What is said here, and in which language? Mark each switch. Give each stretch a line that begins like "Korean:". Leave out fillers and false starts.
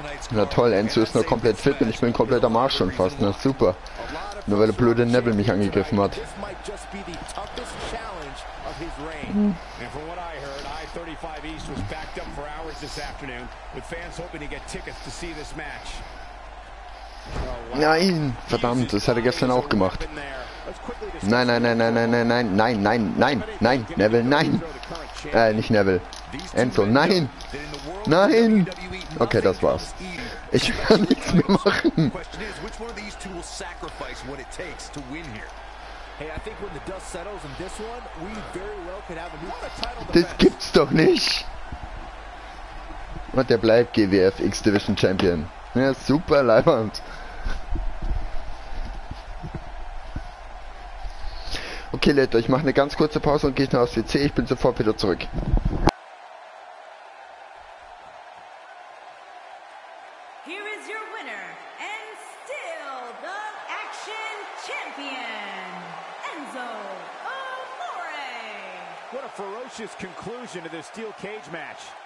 German: Na toll, Enzo ist noch komplett fit und ich bin komplett am Arsch schon fast. Na super. Nur weil der blöde Neville mich angegriffen hat.
English: And from what I heard, I-35 East was backed up for hours this afternoon, with fans hoping to get tickets to see this match.
German: Nein, verdammt, das hat er gestern auch gemacht. Nein, nein, nein, nein, nein, nein, nein, nein, nein, nein, nein, Neville, nein. Nicht Neville. Enzo, nein. Nein. Okay, das war's. Ich kann nichts mehr machen.
English: Which one of these two will sacrifice what it takes to win here? Hey, I think when the dust settles in this one, we very well could have a new title.
German: Das gibt's doch nicht. Und der bleibt GWF X Division Champion. Ja, super, Leibwand. Okay, Leute, ich mache eine ganz kurze Pause und gehe noch aufs WC. Ich bin sofort wieder zurück.
English: Here is your winner and still the Action Champion, Enzo Amore. What a ferocious conclusion to this steel cage match.